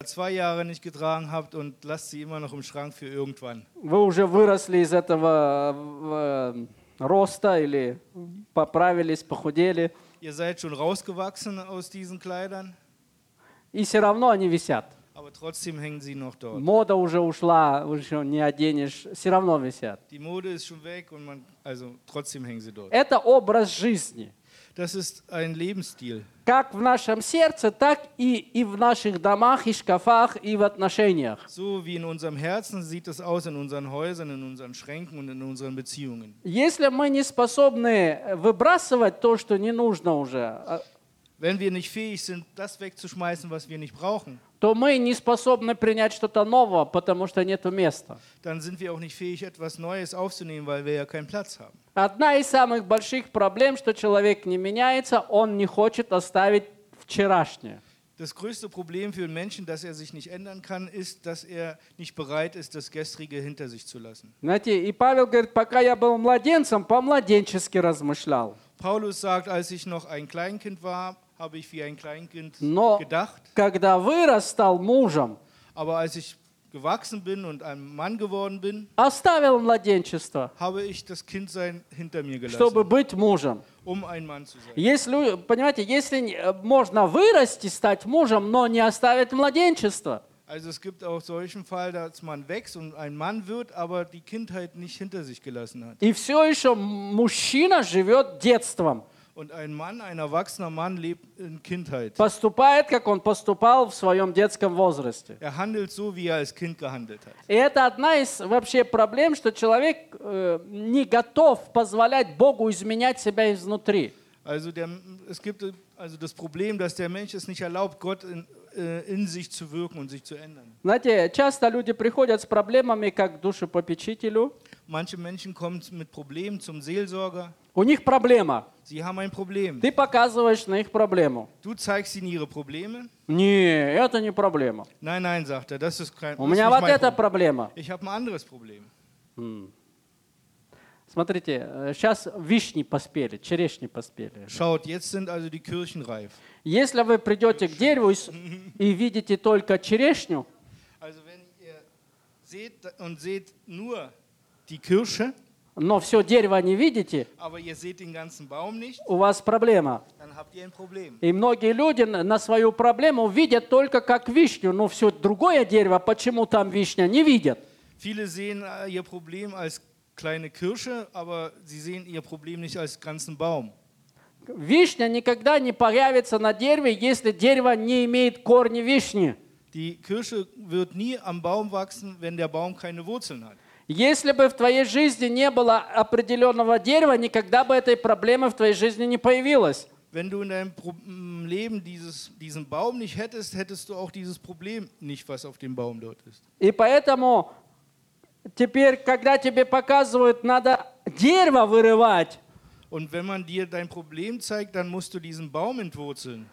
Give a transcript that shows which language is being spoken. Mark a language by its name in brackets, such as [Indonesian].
[German] zwei Jahre nicht getragen habt und lasst sie immer noch im Schrank für irgendwann. [Russian] Вы уже выросли из этого роста или поправились, похудели? [German] Ihr seid schon rausgewachsen aus diesen Kleidern. [Russian] И все равно они висят. [German] Aber trotzdem hängen sie noch dort. [Russian] Мода уже ушла, уже не оденешь, все равно висят. [German] Die Mode ist schon weg und man, also trotzdem hängen sie dort. [Russian] Это образ жизни. [German] Das ist ein Lebensstil. [Russian] Как в нашем сердце, так и в наших домах, и шкафах, и в отношениях. [German] So wie in unserem Herzen sieht es aus in unseren Häusern, in unseren Schränken und in unseren Beziehungen. [Russian] Если мы не способны выбрасывать то, что не нужно уже, [German] wenn wir nicht fähig sind, das wegzuschmeißen, was wir nicht brauchen, [Russian] то мы не способны принять что-то новое, потому что нету места. [German] Dann sind wir auch nicht fähig, etwas Neues aufzunehmen, weil wir ja keinen Platz haben. [Russian] Одна из самых больших проблем, что человек не меняется, он не хочет оставить вчерашнее. [German] Das größte Problem für einen Menschen, dass er sich nicht ändern kann, ist, dass er nicht bereit ist, das Gestrige hinter sich zu lassen. [Russian] Знаете, и Павел говорит, пока я был младенцем, по-младенчески размышлял. [German] Paulus sagt, als ich noch ein Kleinkind war, habe ich wie ein Kleinkind [Russian] Но [German] gedacht. [Russian] Когда вырос, стал мужем, [German] aber als ich gewachsen bin und ein Mann geworden bin, [Russian] оставил младенчество, [German] habe ich das Kindsein hinter mir gelassen, [Russian] чтобы быть мужем. [German] Um ein Mann zu sein. [Russian] Если, понимаете, если можно вырасти, стать мужем, но не оставить младенчество. [German] Also es gibt auch solchen Fall, dass man wächst und ein Mann wird, aber die Kindheit nicht hinter sich gelassen hat. [Russian] И все еще мужчина живет детством. [German] Und ein Mann, ein erwachsener Mann, lebt in Kindheit. [Russian] Поступает, как он поступал в своем детском возрасте. [German] Er handelt so, wie er als Kind gehandelt hat. [Russian] И это одна из вообще проблем, что человек не готов позволять Богу изменять себя изнутри. [German] Also der, es gibt also das Problem, dass der Mensch es nicht erlaubt, Gott in sich zu wirken und sich zu ändern. [Russian] Знаете, часто люди приходят с проблемами как душепопечителю. [German] Manche Menschen kommen mit Problemen zum Seelsorger. [Russian] У них проблема. [German] Sie haben ein Problem. [Russian] Ты показываешь на их проблему. [German] Du zeigst ihnen ihre Probleme. [Russian] Nee, это не проблема. [German] Nein, nein, sagt er, das ist kein [Russian] Problem. У меня вот эта проблема. [German] Ich habe ein anderes Problem. [Russian] Смотрите, сейчас вишни поспели, черешни поспели. [German] Schaut, jetzt sind also die Kirschen reif. [Russian] Если вы придете к дереву и видите только черешню, [German] also wenn ihr seht und seht nur die Kirsche, [Russian] но все дерево не видите, [German] aber ihr seht den ganzen Baum nicht, [Russian] у вас проблема. [German] Dann habt ihr ein Problem. [Russian] И многие люди на свою проблему видят только как вишню, но все другое дерево, почему там вишня, не видят. [German] Viele sehen ihr Problem als kleine Kirsche, aber sie sehen ihr Problem nicht als ganzen Baum. [Russian] Вишня никогда не появится на дереве, если дерево не имеет корни вишни. [German] Die Kirsche wird nie am Baum wachsen, wenn der Baum keine Wurzeln hat. [Russian] Если бы в твоей жизни не было определенного дерева, никогда бы этой проблемы в твоей жизни не появилось. [German] Wenn du in deinem Leben diesen Baum nicht hättest, hättest du auch dieses Problem nicht, was auf dem Baum dort ist. [Russian] И поэтому теперь, когда тебе показывают, надо дерево вырывать. [German] Und wenn man dir dein Problem zeigt, dann musst du diesen Baum entwurzeln.